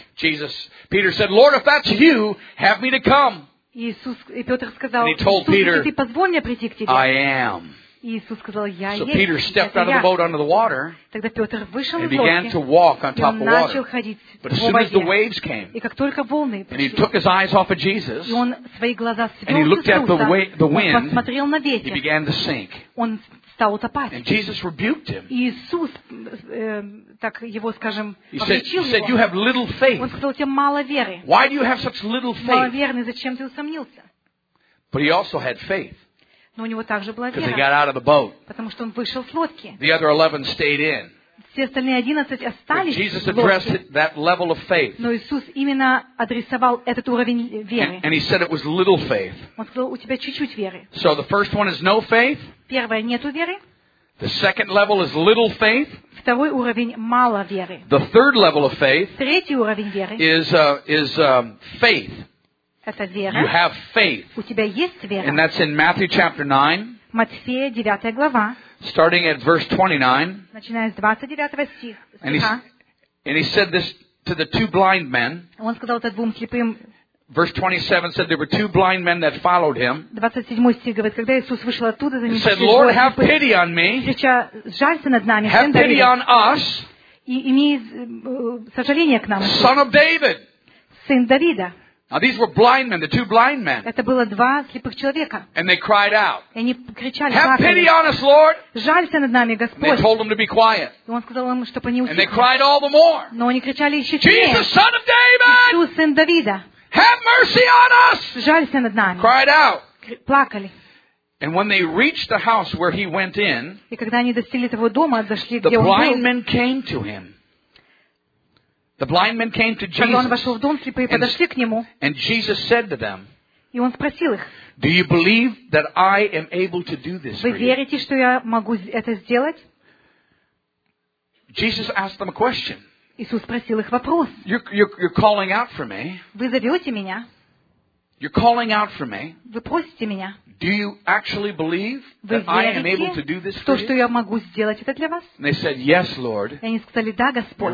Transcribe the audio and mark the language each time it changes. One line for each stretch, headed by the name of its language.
English: Jesus, Peter said, "Lord, if that's you, have me to come."
Russian: Иисус и Петр сказал: Иисус,
English: Peter,
Russian: ты позволь мне прийти к тебе.
English: I am.
Russian: Иисус сказал: Я
English: so
Russian: есть.
English: So Peter stepped out of the boat onto the water.
Russian: Тогда Петр вышел из лодки.
English: He began to walk on top of water.
Russian: И начал ходить по воде.
English: But as soon as the waves came,
Russian: и как только волны пришли,
English: and he took his eyes off of Jesus,
Russian: и он свои глаза свел с Иисуса,
English: and he looked at the wind,
Russian: он посмотрел на ветер,
English: he began to sink.
Russian: Он стал утопать.
English: And Jesus rebuked him.
Russian: Иисус так его, скажем, попречил его.
English: He said, "You have little faith."
Russian: Он сказал: "Тебе мало веры."
English: Why do you have such little faith?
Russian: Маловерный, зачем ты усомнился?
English: But he also had faith.
Russian: Но у него также была вера.
English: Because he got out of the boat.
Russian: Потому что он вышел с лодки.
English: The other 11 stayed in.
Russian: Все остальные 11 остались.
English: But Jesus addressed that level of faith.
Russian: Но Иисус именно адресовал этот уровень веры.
English: And he said it was little faith.
Russian: Он сказал: у тебя чуть-чуть веры.
English: So the first one is no faith.
Russian: Первое, нету веры.
English: The second level is little faith.
Russian: Второй уровень мало веры.
English: The third level of faith.
Russian: Третий уровень веры.
English: Is faith.
Russian: Это вера.
English: You have faith.
Russian: У тебя есть вера.
English: And that's in Matthew chapter 9.
Russian: Матфея, 9 глава.
English: Starting at verse 29.
Russian: Начиная с 29 стиха.
English: And he said this to the two blind men.
Russian: Он сказал это двум слепым.
English: Verse 27 said there were two blind men that followed him.
Russian: 27 стих говорит, когда Иисус вышел оттуда, за ним
English: said, Lord, have pity on me.
Russian: Жалься над нами.
English: Have pity on us.
Russian: И имей сожаление к нам.
English: Son of David.
Russian: Сын Давида.
English: Now these were blind men, the two blind men.
Russian: Это было два слепых человека.
English: And they cried out.
Russian: И они кричали:
English: Have pity on us, Lord.
Russian: Жалься над нами, Господь.
English: They told them to be quiet.
Russian: И он сказал им, чтобы они утихли.
English: And they cried all the more.
Russian: Но они кричали еще сильнее.
English: Jesus, Son of David.
Russian: Иисус, сын Давида.
English: Have mercy on us.
Russian: Жалься над нами.
English: Cried out.
Russian: Плакали.
English: And when they reached the house where he went in,
Russian: и когда они достигли того дома, зашли, где он был,
English: the blind men came to him. The blind men came to Jesus.
Russian: Когда он вошел в дом, слепые подошли к нему.
English: And Jesus said to them,
Russian: и он спросил их:
English: Do you believe that I am able to do this?
Russian: Вы верите, что я могу это сделать?
English: Jesus asked them a question.
Russian: Иисус спросил их вопрос.
English: You're calling out for me.
Russian: Вы зовете меня.
English: You're calling out for me.
Russian: Вы просите меня.
English: Do you actually believe that I am able to do this for you?
Russian: То, что я могу сделать это для вас?
English: And they said, Yes, Lord.
Russian: И они сказали: Да, Господь.